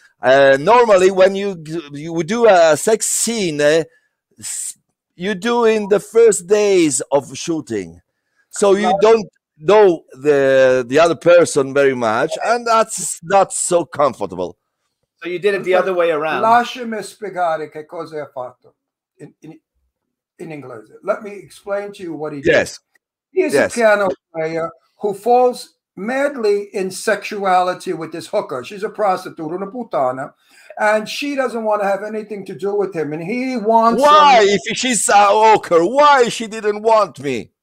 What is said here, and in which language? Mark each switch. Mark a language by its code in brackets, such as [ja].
[en] Normally, when you do a sex scene, you do in the first days of shooting. So you don't know the other person very much, and that's not so comfortable. So you did it the other way around. [it] Lasciami spiegare che cosa ha fatto in English. [en] Let me explain to you what he did. Yes. He is a piano player who falls madly in sexuality with this hooker. She's a prostitute, [it] una puttana, [en] and she doesn't want to have anything to do with him, and he wants... Why? If she's a hooker, why she didn't want me?